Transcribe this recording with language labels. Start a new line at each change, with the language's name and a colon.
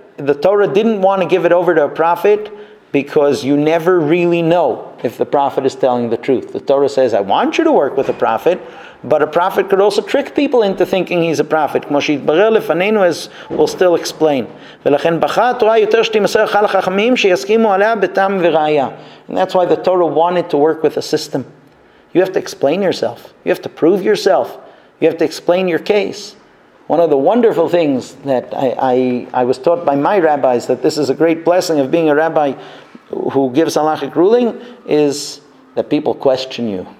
English: The Torah didn't want to give it over to a prophet, because you never really know if the prophet is telling the truth. The Torah says, I want you to work with a prophet, but a prophet could also trick people into thinking he's a prophet.
Hebrew: כמו שיתברר לפנינו,
English: as we'll still explain.
Hebrew: ולכן בחרה התורה יותר שתימסר חל חכמים שיסכימו עליה בטעם וראיה.
English: And that's why the Torah wanted to work with a system. You have to explain yourself. You have to prove yourself. You have to explain your case. One of the wonderful things that I was taught by my rabbis, that this is a great blessing of being a rabbi who gives halachic ruling, is that people question you.